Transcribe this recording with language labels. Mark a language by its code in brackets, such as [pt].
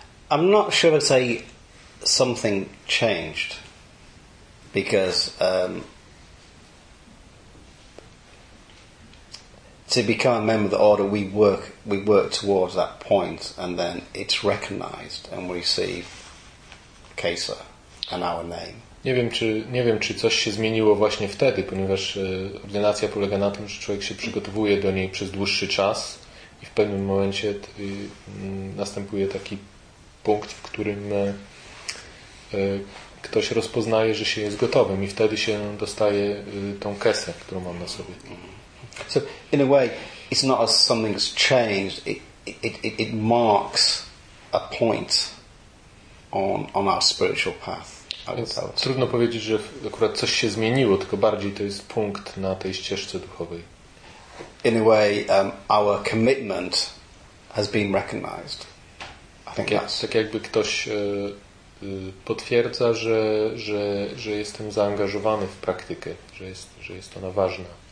[en] I'm not sure to say something changed, because to become a member of the order, we work towards that point, and then it's recognized, and we receive kesa. And our name. [pl] Nie wiem, czy coś się zmieniło właśnie wtedy, ponieważ ordynacja polega na tym, że człowiek się przygotowuje do niej przez dłuższy czas i w pewnym momencie następuje taki punkt, w którym ktoś rozpoznaje, że się jest gotowym i wtedy się dostaje tą kesę, którą mam na sobie. [en] So in a way, it's not as something's changed. It marks a point on our spiritual path. [pl] Trudno powiedzieć, że akurat coś się zmieniło, tylko bardziej to jest punkt na tej ścieżce duchowej. [en] In a way, our commitment has been recognized. I think [pl] tak jakby ktoś potwierdza, że jestem zaangażowany w praktykę, że jest ona ważna.